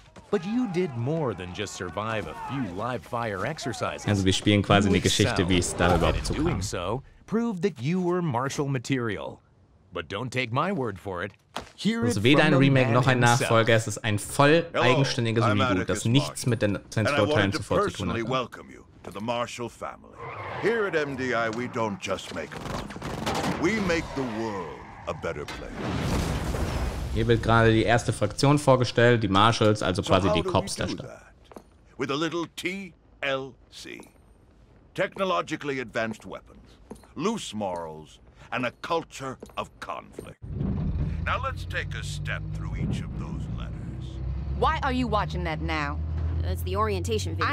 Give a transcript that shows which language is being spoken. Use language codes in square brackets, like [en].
[en] But you did more than just survive a few live fire exercises. [de] Also wir spielen quasi eine Geschichte, wie es da überhaupt zu kam. [en] Doing so proved that you were Marshall material. But don't take my word for it. [de] Es ist weder ein Remake noch ein Nachfolger, es ist ein voll eigenständiges Reboot, das nichts mit den Science-Fiction-Teilen zuvor zu tun hat. [en] Welcome you to the Marshall family. Here at MDI, we don't just make a profit. We make the world a better place. [de] Hier wird gerade die erste Fraktion vorgestellt, die Marshalls, also quasi die Cops der Stadt. [en] With a little TLC. Technologically advanced weapons, loose morals and a culture of conflict. Now let's take a step through each of those letters. Why are you watching that now? That's the orientation video.